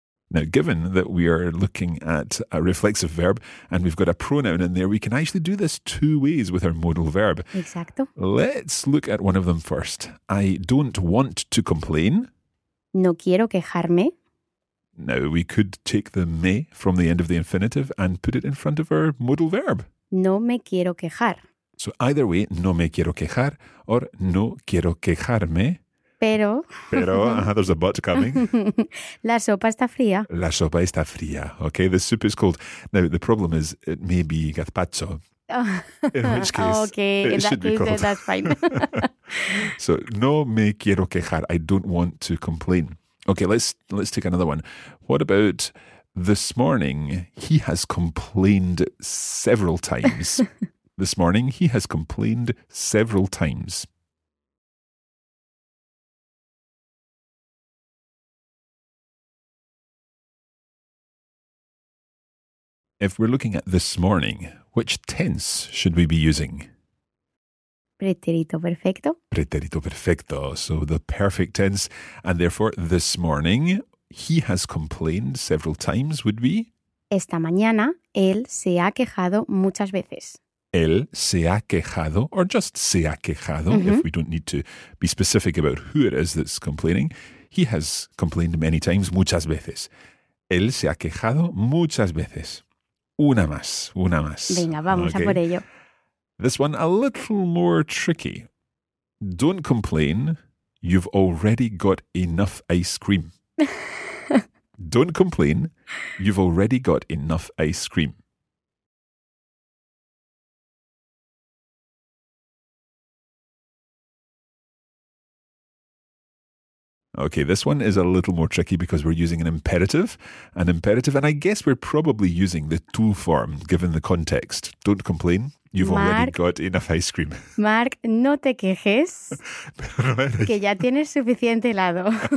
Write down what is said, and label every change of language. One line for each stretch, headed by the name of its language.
English: Now, given that we are looking at a reflexive verb and we've got a pronoun in there, we can actually do this two ways with our modal verb.
Spanish: Exacto.
English: Let's look at one of them first. I don't want to complain.
Spanish: No quiero quejarme.
English: Now, we could take the me from the end of the infinitive and put it in front of our modal verb.
Spanish: No me quiero quejar.
English: So either way, no me quiero quejar or no quiero quejarme.
Spanish: Pero.
English: Pero, there's a but coming.
Spanish: La sopa está fría.
English: La sopa está fría. Okay, the soup is cold. Now, the problem is it may be gazpacho. In which case, okay, it in that should case, be cold. That's fine. So, no me quiero quejar. I don't want to complain. Okay, let's take another one. What about this morning? He has complained several times. This morning, he has complained several times. If we're looking at this morning, which tense should we be using?
Spanish: Pretérito perfecto.
English: Pretérito perfecto. So the perfect tense. And therefore, this morning, he has complained several times would be?
Spanish: Esta mañana, él se ha quejado muchas veces. Él se ha quejado, or just se ha quejado, mm-hmm.
English: If we don't need to be specific about who it is that's complaining. He has complained many times, muchas veces. Él se ha quejado muchas veces.
Spanish: Una más, una más. Venga, vamos okay. A por ello.
English: This one a little more tricky. Don't complain, you've already got enough ice cream. Don't complain, you've already got enough ice cream. Okay, this one is a little more tricky because we're using an imperative, and I guess we're probably using the to form given the context. Don't complain. You've Mark, already got enough ice cream.
Spanish: Mark, no te quejes, que ya tienes suficiente helado.